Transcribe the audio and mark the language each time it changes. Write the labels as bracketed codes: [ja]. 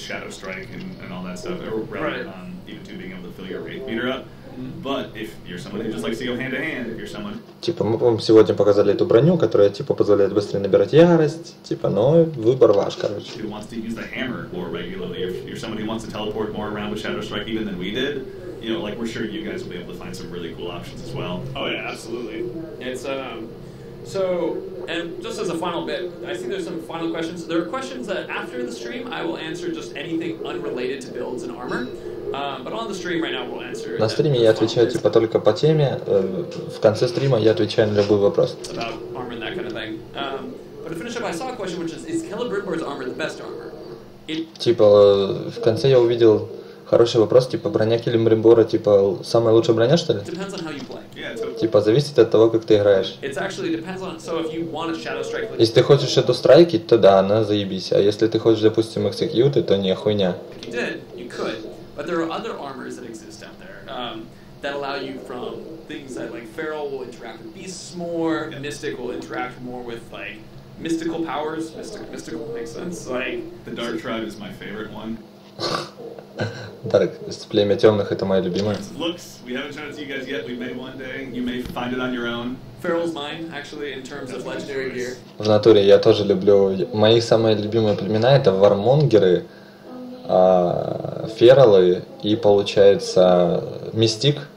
[en] strike and all that stuff, or right. Even two being able to fill your rate meter up. But if you're someone who just likes to go hand to hand, if you're someone. [ru] Типа мы вам сегодня показали эту броню, которая типа позволяет быстрее набирать ярость, типа, но выбор ваш, короче. [en] Who wants to use the hammer more regularly? If you're somebody who wants to teleport more around with Shadow Strike even than we did, you know, like we're sure you guys will be able to find some really cool options as well. Oh yeah, absolutely. It's So, and just as a final bit, I see there's some final questions. There are questions that after the stream I will answer just anything unrelated to builds and armor. But on the stream right now we'll answer. [ru] На стриме я отвечаю типа только по теме. В конце стрима я отвечаю на любой вопрос. [en] About armor and that kind of thing. But to finish up, I saw a question which is Celebrimbor's armor the best armor? [ru] Типа в конце я увидел хороший вопрос, типа броня Келимбримбора, типа самая лучшая броня, что ли? [en] Depends on how you play. Yeah, totally. [ru] Типа зависит от того, как ты играешь. [en] It's actually depends on, so if you want a Shadow Strike, like... [ru] Если ты хочешь Shadow Strike, то да, она заебись. А если ты хочешь, допустим, Execute, то не хуйня. [en] If you did, you could. But there are other armors that exist out there that allow you from things that like Feral will interact with beasts more, yeah. Mystic will interact more with like mystical powers. Mystical makes sense. Like the Dark Tribe is my favorite one. [ru] Dark, племя темных, это моя любимая. [en] Looks, we haven't shown it to you guys yet. We may one day. You may find it on your own. Feral's mine, actually, in terms of legendary gear. [ru] В натуре я тоже люблю. Мои самые любимые племена это вармонгеры, фералы и получается мистик.